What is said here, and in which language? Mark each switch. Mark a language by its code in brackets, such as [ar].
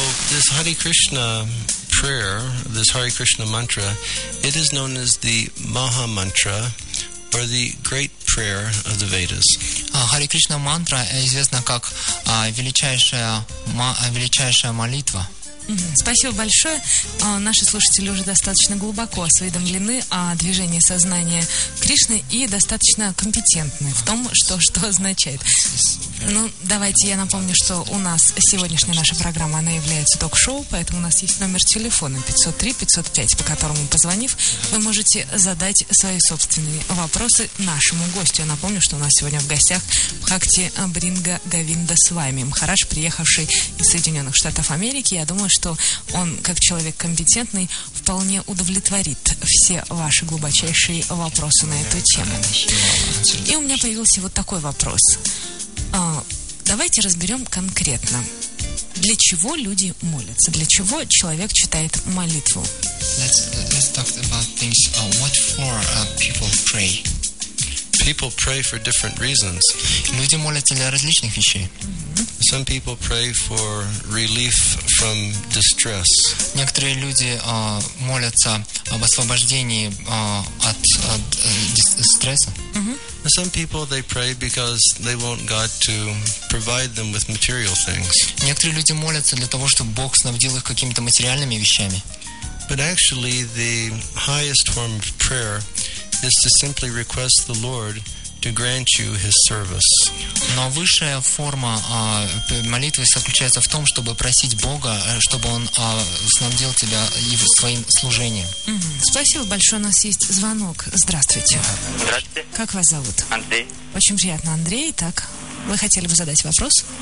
[en] this Hare Krishna prayer, this Hare Krishna mantra, it is known as the Maha Mantra, or the Great Prayer of the Vedas. [ru] Hare Krishna mantra is известна как величайшая молитва. Спасибо большое. Наши слушатели уже достаточно глубоко осведомлены о движении сознания Кришны и достаточно компетентны в том, что означает. Ну, давайте я напомню, что у нас сегодняшняя наша программа, она является ток-шоу, поэтому у нас есть номер телефона 503-505, по которому, позвонив, вы можете задать свои собственные вопросы нашему гостю. Я напомню, что у нас сегодня в гостях Бхакти Бринга Говинда Свами, Мхарадж, приехавший из Соединенных Штатов Америки. Я думаю, что он, как человек компетентный, вполне удовлетворит все ваши глубочайшие вопросы на эту тему. И у меня появился вот такой вопрос. Давайте разберем конкретно, для чего люди молятся, для чего человек читает молитву. [en] Let's talk about things. What for people pray? People pray for different reasons. [ru] Люди молятся для различных вещей. [en] Some people pray for relief from distress. [ru] Некоторые люди молятся об освобождении от стресса. Mm-hmm. [en] Some people they pray because they want God to provide them with material things. [ru] Некоторые люди молятся для того, чтобы Бог снабдил их какими-то материальными вещами. [en] But actually, the highest form of prayer is to simply request the Lord to grant you His service. [ru] Но высшая форма молитвы заключается в том, чтобы просить Бога, чтобы Он снабдил тебя и своим служением. Mm-hmm. Спасибо большое. У нас есть звонок. Здравствуйте. Здравствуйте. Как вас зовут? Андрей. Очень приятно, Андрей. Так, вы хотели бы задать вопрос?